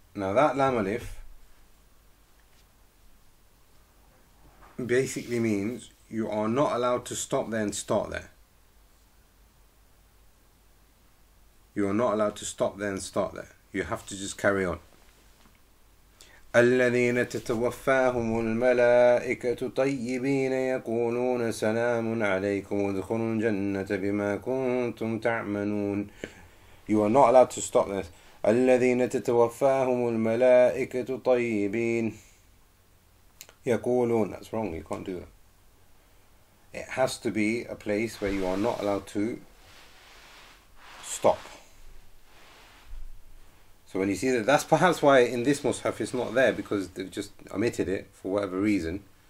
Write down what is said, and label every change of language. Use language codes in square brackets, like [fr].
[en] Now, that lam alif basically means you are not allowed to stop there and start there. You are not allowed to stop there and start there. You have to just carry on. [ar] الذين تتوفاهم الملائكة طيبين يقولون سلام عليكم ادخلوا الجنة بما كنتم تعملون. [en] You are not allowed to stop there. [ar] الذين تتوفاهم الملائكة طيبين يقولون. [en] That's wrong. You can't do that. It has to be a place where you are not allowed to stop. So when you see that, that's perhaps why in this Mus'haf it's not there, because they've just omitted it for whatever reason.